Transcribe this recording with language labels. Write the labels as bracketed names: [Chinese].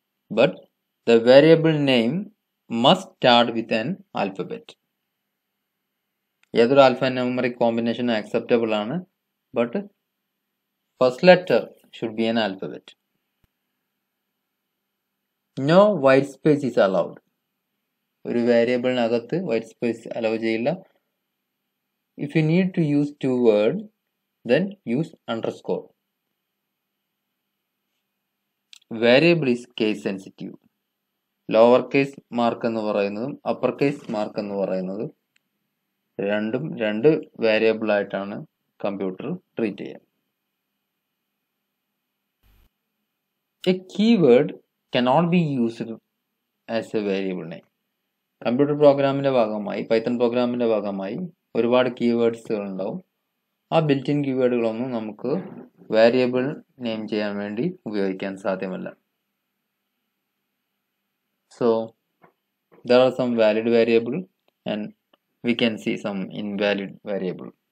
[English] But the variable name must start with an alphabet. ഏതൊരു alphanumeric combination acceptable ആണ്, but first letter should be an alphabet. No white space is allowed. [Malayalam] ഒരു വേരിയബിളിനകത്ത് white space hello ചെയ്യില്ല. [English] If you need to use two word then use underscore. Variable is case sensitive. [Malayalam] Lower case mark എന്ന് പറയുന്നതും upper case mark എന്ന് പറയുന്നതും രണ്ടും രണ്ട് വേരിയബിളായിട്ടാണ് computer treat ചെയ്യുക. [English] A keyword cannot be used as a variable name. [Malayalam] Computer പ്രോഗ്രാമിൻ്റെ ഭാഗമായി, Python പ്രോഗ്രാമിൻ്റെ ഭാഗമായി ഒരുപാട് കീവേഡ്സുകളുണ്ടാവും. ആ ബിൽറ്റ് ഇൻ കീവേഡുകളൊന്നും നമുക്ക് വേരിയബിൾ നെയിം ചെയ്യാൻ വേണ്ടി ഉപയോഗിക്കാൻ സാധ്യമല്ല. [English] So there are some valid variable and we can see some invalid variable.